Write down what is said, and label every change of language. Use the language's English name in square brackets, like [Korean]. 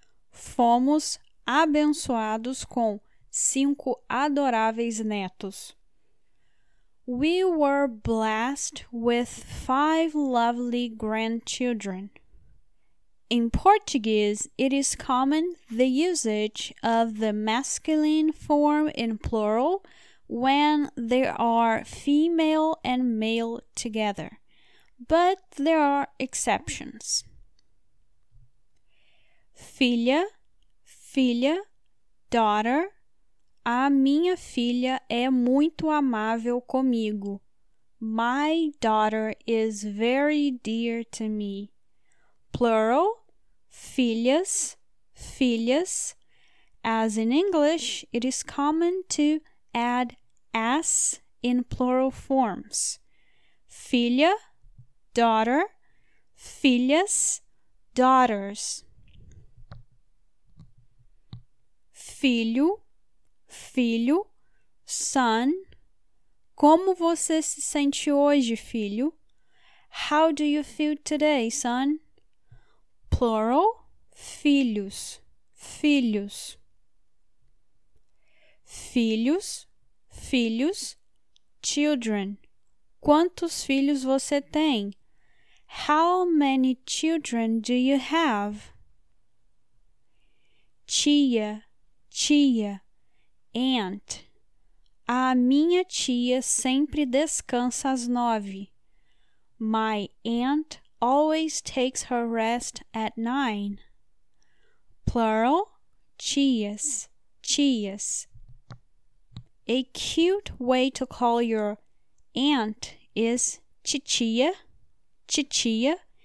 [Portuguese] Fomos abençoados com 5 adoráveis netos. [English] We were blessed with 5 lovely grandchildren. In Portuguese, it is common the usage of the masculine form in plural when there are female and male together, but there are exceptions. [Portuguese] Filha, filha, daughter. A minha filha é muito amável comigo. [English] My daughter is very dear to me. [Portuguese] Plural, filhas, filhas. [English] As in English, it is common to add s in plural forms. Filha, daughter, filhas, daughters. [Portuguese] Filho, filho, son. Como você se sente hoje, filho? [English] How do you feel today, son? [Portuguese] Plural, filhos, filhos. Filhos, filhos, children. Quantos filhos você tem? [English] How many children do you have? [Portuguese] Tia, tia, aunt. A minha tia sempre descansa às 9. [English] My aunt always takes her rest at 9. [Portuguese] Plural, tias, tias. [English] A cute way to call your aunt is titia, titia.